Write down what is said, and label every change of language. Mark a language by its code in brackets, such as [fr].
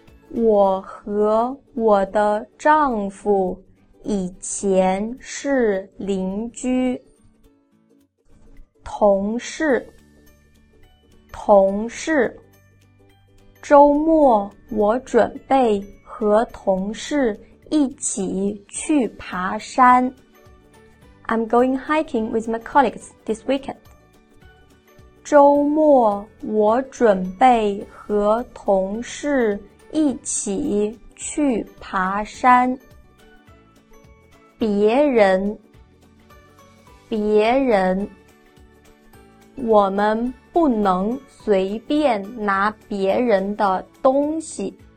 [zh] 我和我的丈夫以前是邻居。同事，同事，周末我准备和同事一起去爬山。 [en] I'm going hiking with my colleagues this weekend. [zh] 周末我准备和同事一起去爬山。别人，别人，我们不能随便拿别人的东西。